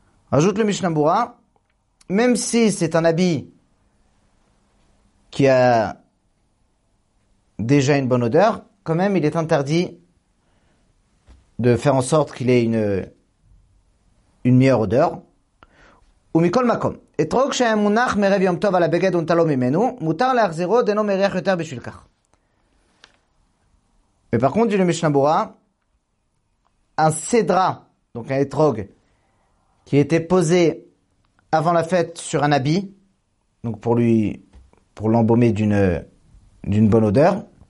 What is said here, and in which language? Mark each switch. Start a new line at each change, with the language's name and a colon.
French: Ajoute le Mishnah Berurah, même si c'est un habit qui a déjà une bonne odeur, quand même il est interdit de faire en sorte qu'il ait une meilleure odeur.
Hebrew: ומכל מקום, אתרוג שהיה מונח מרב יום טוב על הבגד ונטלו ממנו, מותר להחזירו דנו מריח יותר בשביל כך. ופר קונטי למשנה ברורה,
French: un cédra, donc un אתרוג, qui était posé avant la fête sur un habit, donc pour l'embaumer d'une bonne odeur,